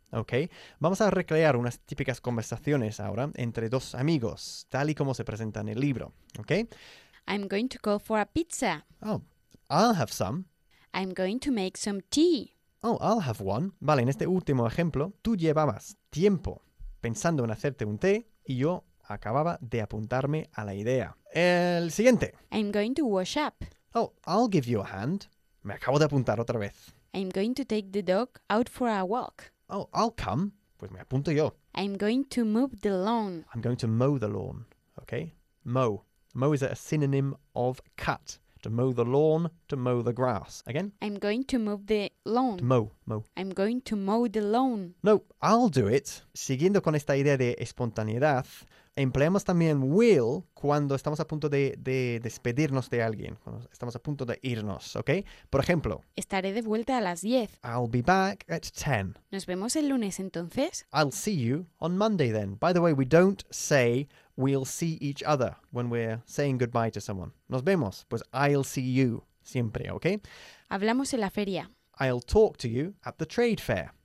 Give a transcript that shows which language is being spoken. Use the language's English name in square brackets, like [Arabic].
[Spanish] Okay, vamos a recrear unas típicas conversaciones ahora entre dos amigos, tal y como se presenta en el libro. [English] Okay, I'm going to go for a pizza. Oh, I'll have some. I'm going to make some tea. Oh, I'll have one. [Spanish] Vale, en este último ejemplo, tú llevabas tiempo pensando en hacerte un té y yo acababa de apuntarme a la idea. El siguiente. [English] I'm going to wash up. Oh, I'll give you a hand. [Spanish] Me acabo de apuntar otra vez. [English] I'm going to take the dog out for a walk. Oh, I'll come. [Spanish] Pues me apunto yo. [English] I'm going to mow the lawn. I'm going to mow the lawn. Okay? Mow. Mow is a synonym of cut. To mow the lawn, to mow the grass. Again? I'm going to mow the lawn. To mow. Mow. I'm going to mow the lawn. No, I'll do it. [Spanish] Siguiendo con esta idea de espontaneidad, empleamos también will cuando estamos a punto de despedirnos de alguien. Cuando estamos a punto de irnos, ¿ok? Por ejemplo. Estaré de vuelta a las 10. [English] I'll be back at 10. [Spanish] ¿Nos vemos el lunes entonces? [English] I'll see you on Monday then. By the way, we don't say we'll see each other when we're saying goodbye to someone. [Spanish] Nos vemos. Pues [English] I'll see you [Spanish] siempre, [English] ¿ok? [Spanish] Hablamos en la feria. [English] I'll talk to you at the trade fair.